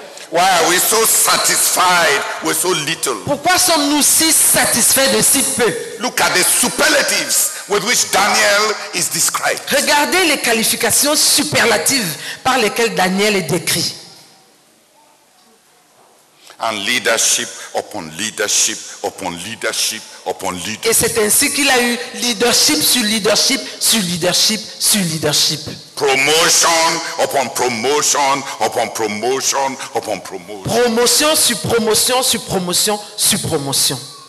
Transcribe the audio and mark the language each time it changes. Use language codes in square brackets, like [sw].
[en] Why are we so satisfied with so little? [fr] Pourquoi sommes-nous si satisfaits de si peu? [en] Look at the superlatives with which Daniel is described. [fr] Regardez les qualifications superlatives par lesquelles Daniel est décrit. [en] And leadership upon leadership upon leadership upon leadership. [fr] Et c'est ainsi qu'il a eu leadership sur leadership sur leadership sur leadership. [en] Promotion upon promotion upon promotion upon promotion. [fr] Promotion sur promotion sur promotion sur promotion.